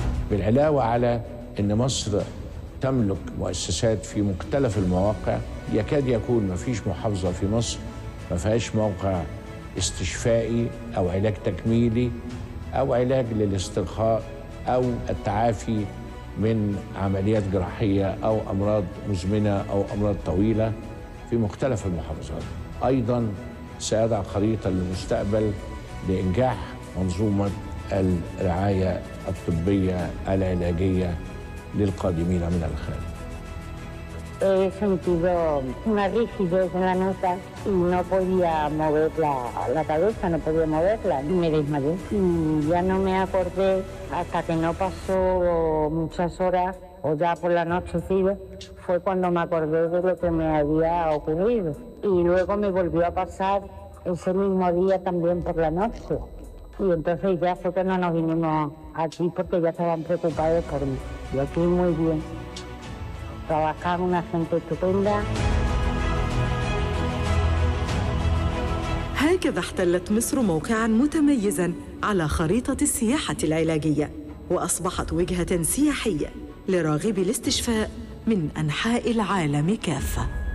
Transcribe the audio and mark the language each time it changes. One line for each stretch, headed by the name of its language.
Arabic: بالعلاوة على أن مصر تملك مؤسسات في مختلف المواقع، يكاد يكون ما فيش محافظة في مصر ما فيهاش موقع استشفائي أو علاج تكميلي أو علاج للاسترخاء أو التعافي من عمليات جراحية أو أمراض مزمنة أو أمراض طويلة في مختلف المحافظات. أيضاً سيضع خريطة للمستقبل لإنجاح منظومة الرعاية الطبية العلاجية للقادمين من الخارج.
Spanish: sentido una rigidez en la nuca y no podía mover la cabeza, no podía moverla, y me desmayé. Y ya no me acordé hasta que no pasó muchas horas o ya por la noche sigo, fue cuando me acordé de lo que me había ocurrido. Y luego me volvió a pasar ese mismo día también por la noche. Y entonces ya fue que no nos vinimos aquí porque ya estaban preocupados por mí. Y aquí muy bien. Trabajar una gente estupenda.
Arabic: هكذا احتلت مصر موقعا متميزا على خريطة السياحة العلاجية، وأصبحت وجهة سياحية لراغبي الاستشفاء من أنحاء العالم كافة.